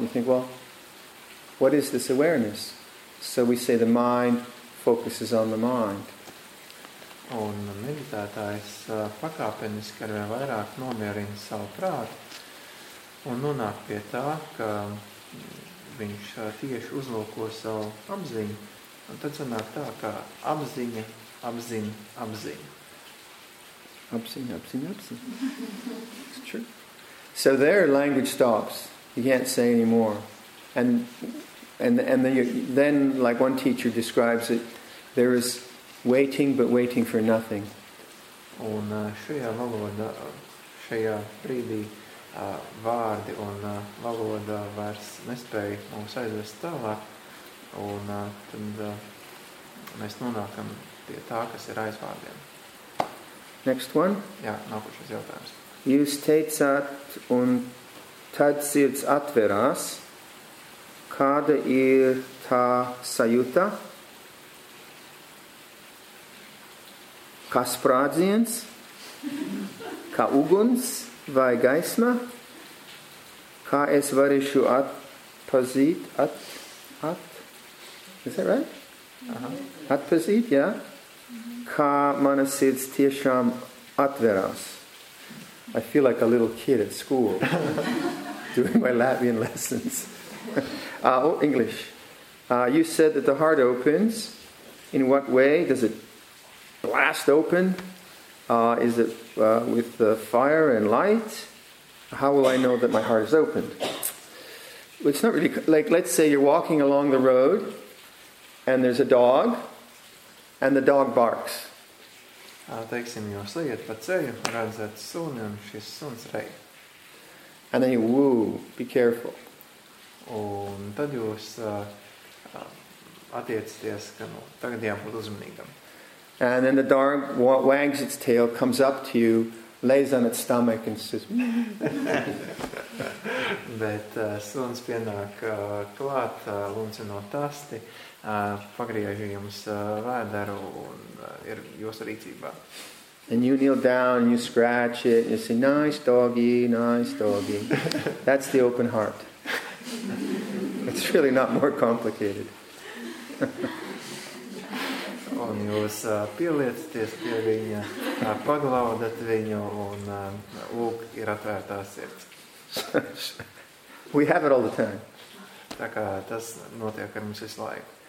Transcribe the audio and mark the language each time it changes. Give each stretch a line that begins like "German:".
English: You think, well, what is this awareness? So we say the mind focuses on the mind.
Latvian: Un meditētājs pakāpeniski arvien vairāk nomierina savu prātu. Un nonāk pie tā, ka viņš tieši uzlūko savu apziņu. Un tad sanāk tā, ka apziņa, apziņa, apziņa. Apziņa, apziņa, apziņa.
English: It's true. So there language stops. You can't say anymore. And then, like one teacher describes it, there is waiting, but waiting for nothing.
Latvian: Un šajā valodā, šajā brīdī, vārdi un valoda vairs nespēja mums aizvest tālāk, un tad mēs nonākam pie tā, kas ir aizvārdiem.
English: Next one?
Latvian: Jā, nākošais jautājums. Jūs teicāt, un tad sirds atverās, kāda ir tā sajūta? Kā sprādziens? Kā uguns? Vai gaisma? Kā es varēšu atpazīt,
English: is that right? Uh-huh.
Latvian: Atpazīt, jā? Kā mana sirds tiešām atverās?
English: I feel like a little kid at school doing my Latvian lessons. English. You said that the heart opens. In what way does it blast open? Is it with the fire and light? How will I know that my heart is opened? It's not really, like, let's say you're walking along the road and there's a dog and the dog barks.
Latvian: Teiksim, jūs liet pa ceļu, redzat suni un šis suns rej.
English: And then you, woo, be careful.
Latvian: Un tad jūs attiecaties, ka nu, tagad jābūt uzmanīgam.
English: And then the dog wags its tail, comes up to you, lays on its stomach and says,
Latvian: Bet suns pienāk klāt, lūncinot asti, pagriež jums vēderu un ir jūsu rīcībā.
English: And you kneel down, you scratch it, you say, nice doggy, nice doggy. That's the open heart. It's really not more complicated.
Latvian: Un jūs pielietaties pie viņa, paglaudat viņu, un lūk, ir atvērtā sirds.
English: We have it all the time.
Latvian: Tā kā tas notiek ar mums visu laiku.